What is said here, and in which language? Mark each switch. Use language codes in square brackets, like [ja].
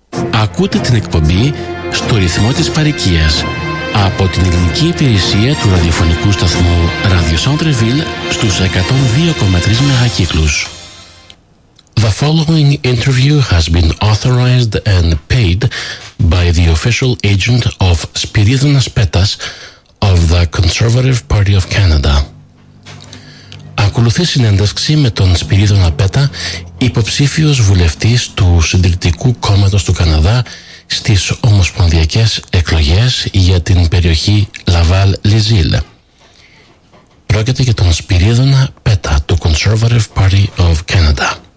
[el] Ακούτε την εκπομπή στο ρυθμό της παροικίας από την ελληνική υπηρεσία του ραδιοφωνικού σταθμού Radio Centreville στους 102,3 μεγακύκλους. [en] The following interview has been authorized and paid by the official agent of Spiridonas Petas of the Conservative Party of Canada. [el] Ακολουθεί συνέντευξη με τον Σπυρίδωνα Πέτα, υποψήφιος βουλευτής του Συντηρητικού Κόμματος του Καναδά στις ομοσπονδιακές εκλογές για την περιοχή Λαβάλ-Λιζίλ. Πρόκειται για τον Σπυρίδωνα Πέτα του Conservative Party of Canada.